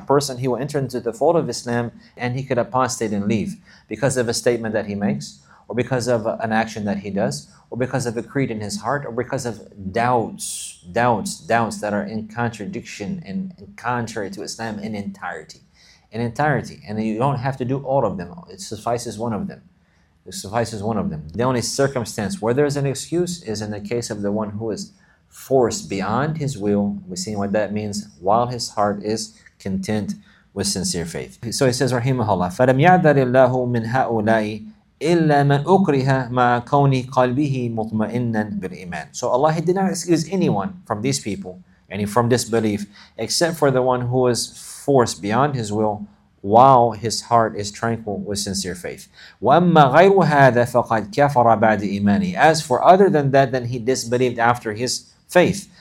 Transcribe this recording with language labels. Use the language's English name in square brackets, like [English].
[English] A person, he will enter into the fold of Islam and he could apostate and leave because of a statement that he makes, or because of an action that he does, or because of a creed in his heart, or because of doubts that are in contradiction and contrary to Islam in entirety. In entirety. And you don't have to do all of them. It suffices one of them. It suffices one of them. The only circumstance where there is an excuse is in the case of the one who is forced beyond his will. We've seen what that means, while his heart is content with sincere faith. So he says, [Arabic] Rahimahullah, فَلَمْ يَعْذَرِ اللَّهُ مِنْ هَؤُلَاءِ إِلَّا مَنْ أُكْرِهَ مَعَ كَوْنِ قَلْبِهِ مُطْمَئِنًا بِالْإِيمَانِ. [English] So Allah, he did not excuse anyone from these people, any from disbelief, except for the one who is forced beyond his will while his heart is tranquil with sincere faith. [Arabic] وَأَمَّا غَيْرُ هَذَا فَقَدْ كَفَرَ بَعْدِ إِيمَانِهِ. [English] As for other than that, then he disbelieved after his faith.